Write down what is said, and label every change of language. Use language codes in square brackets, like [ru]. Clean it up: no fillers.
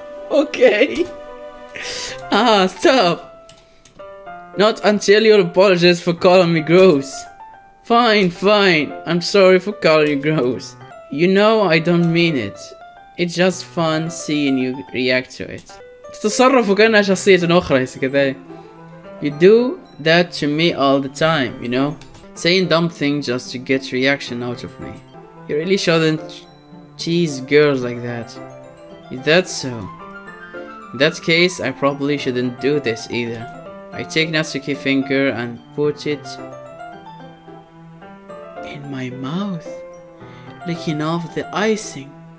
[en] Okay. Stop. Not until you apologize for calling me gross. Fine. I'm sorry for calling you gross. You know I don't mean it. It's just fun seeing you react to it. [ar] تتصرف وكأنها شخصية أخرى هسه كذا. [en] You do that to me all the time, you know? Saying dumb things just to get reaction out of me. You really shouldn't tease girls like that. Is that so? In that case, I probably shouldn't do this either. I take Natsuki's finger and put it in my mouth, licking off the icing.